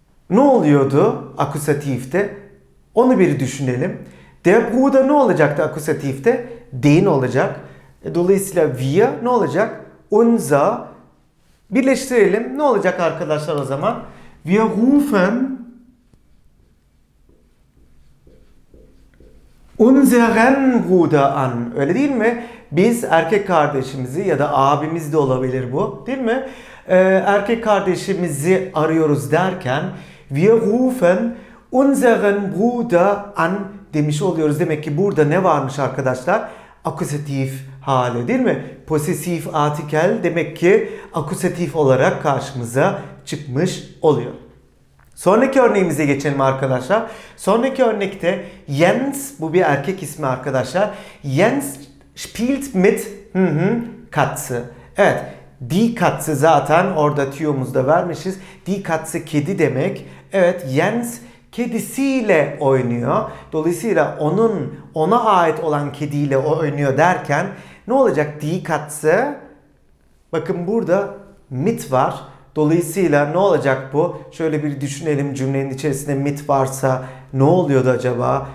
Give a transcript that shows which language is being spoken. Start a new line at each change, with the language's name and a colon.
Turkish: Ne oluyordu akusatifte? Onu bir düşünelim. Der Bruder ne olacaktı akusatifte? Den olacak. Dolayısıyla wir ne olacak? Unser. Birleştirelim. Ne olacak arkadaşlar o zaman?
German: Wir rufen unseren Bruder an.
Turkish: Öyle değil mi? Biz erkek kardeşimizi ya da abimiz de olabilir bu. Değil mi? Erkek kardeşimizi arıyoruz derken
German: wir rufen unseren Bruder an
Turkish: demiş oluyoruz. Demek ki burada ne varmış arkadaşlar? Akusatif hali değil mi? Posesif artikel demek ki akusatif olarak karşımıza çıkmış oluyor. Sonraki örneğimize geçelim arkadaşlar. Sonraki örnekte Jens, bu bir erkek ismi arkadaşlar.
German: Jens spielt mit Katze.
Turkish: Evet, die Katze zaten orada tüyomuzu da vermişiz. Die Katze kedi demek. Evet, Jens kedisiyle oynuyor. Dolayısıyla onun ona ait olan kediyle oynuyor derken ne olacak? Die Katze, bakın burada mit var. Dolayısıyla ne olacak bu? Şöyle bir düşünelim, cümlenin içerisinde mit varsa ne oluyordu acaba?